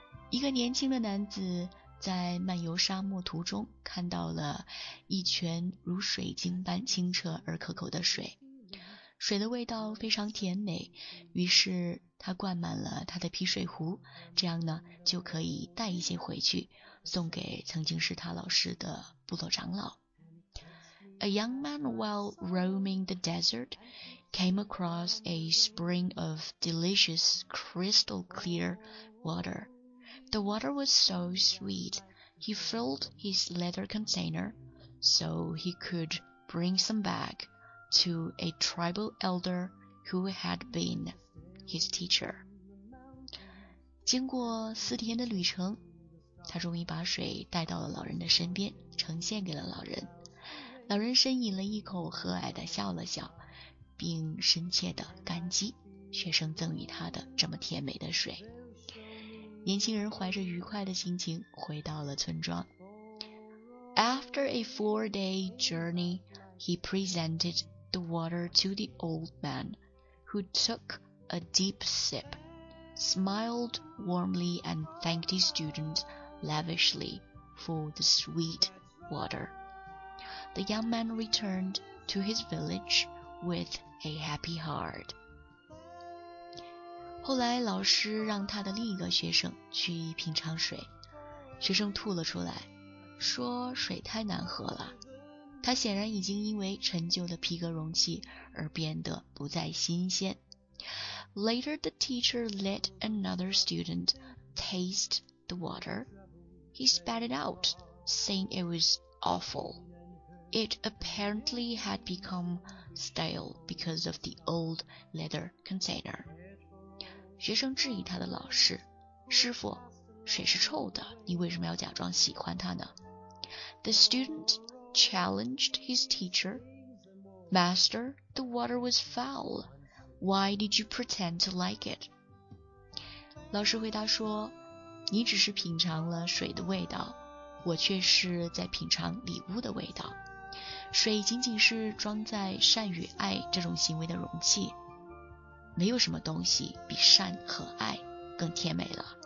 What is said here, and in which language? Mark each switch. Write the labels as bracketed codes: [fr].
[zh] 一个年轻的男子在漫游沙漠途中看到了一泉如水晶般清澈而可口的水，水的味道非常甜美，于是他灌满了他的皮水壶，这样呢就可以带一些回去送给曾经是他老师的部落长老。 [en] A young man while roaming the desert came across a spring of delicious crystal clear waterThe water was so sweet, he filled his leather container so he could bring some back to a tribal elder who had been his teacher. [zh] 经过四天的旅程，他终于把水带到了老人的身边，呈现给了老人。老人深饮了一口，和蔼地笑了笑，并深切地感激学生赠予他的这么甜美的水。年轻人怀着愉快的心情回到了村庄。 [en] After a four-day journey, he presented the water to the old man, who took a deep sip, smiled warmly, and thanked his student lavishly for the sweet water. The young man returned to his village with a happy heart. [zh] 后来老师让他的另一个学生去品尝水，学生吐了出来，说水太难喝了。他显然已经因为陈旧的皮革容器而变得不再新鲜。 [en] Later the teacher let another student taste the water. He spat it out, saying it was awful. It apparently had become stale because of the old leather container. [zh] 学生质疑他的老师，师傅，水是臭的，你为什么要假装喜欢它呢？ [en] The student challenged his teacher. Master, the water was foul. Why did you pretend to like it? [zh] 老师回答说，你只是品尝了水的味道，我却是在品尝礼物的味道。水仅仅是装在善与爱这种行为的容器。没有什么东西比善和爱更甜美了。